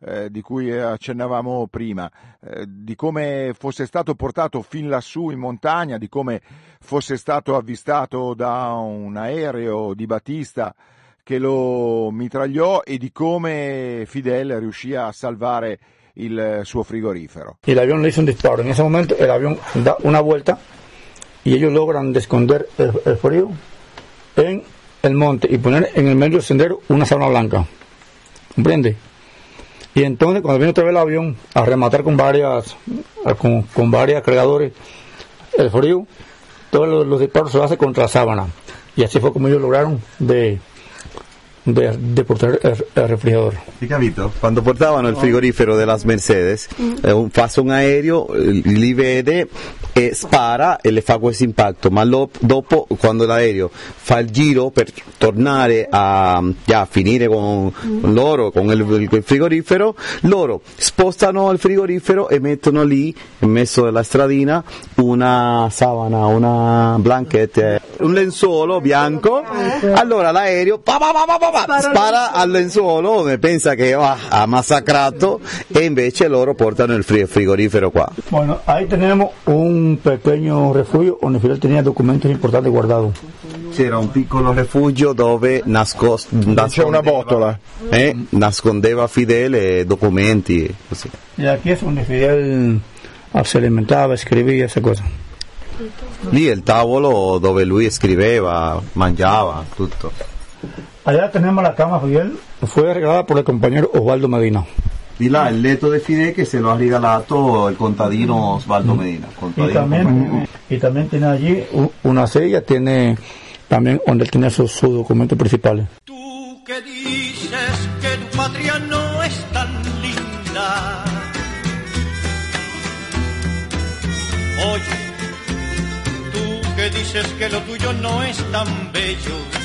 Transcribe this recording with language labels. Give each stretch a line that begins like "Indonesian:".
Italian: di cui accennavamo prima, di come fosse stato portato fin lassù in montagna, di come fosse stato avvistato da un aereo di Battista che lo mitragliò e di come Fidel riuscì a salvare il suo frigorifero.
Spanish: El avión le hizo un disparo. En ese momento el avión da una vuelta y ellos logran esconder el frío en el monte y poner en el medio del sendero una sauna blanca. ¿Comprende? Y entonces cuando viene otra vez el avión a rematar con varias cargadores el frío, todos los disparos se lo hacen contra la sábana. Y así fue como ellos lograron de portar el refrigerador.
Italian: Sí, capito.
Spanish: Cuando portaban el frigorífero de las Mercedes, pasa un aéreo,
Italian: li vede, spara e le fa questo impatto, ma dopo, quando l'aereo fa il giro per tornare a finire con loro, con il frigorifero, loro spostano il frigorifero e mettono lì, in mezzo alla stradina, una savana, una blanchette, un lenzuolo bianco. Allora l'aereo spara al lenzuolo, pensa che ha massacrato, e invece loro portano il frigorifero qua.
Spanish: Bueno, ahí tenemos un pequeño refugio donde Fidel tenía documentos importantes guardados.
Italian: C'era un piccolo rifugio dove c'è una botola. Nascondeva Fidel e documenti. Così.
Spanish: Y aquí es donde Fidel se alimentaba, escribía esa cosa.
Italian: Lì è il tavolo dove lui scriveva, mangiava, tutto.
Spanish: Allá tenemos la cama Fidel, fue regalada por el compañero Osvaldo Medina.
Italian: Di là il letto di Fidel che se lo ha regalato il contadino Osvaldo Medina.
Spanish: E también tiene allí una sella, tiene también donde él tiene su documento principal. Tú que dices que tu patria no es tan linda. Oye, tú que dices que lo tuyo no es tan bello.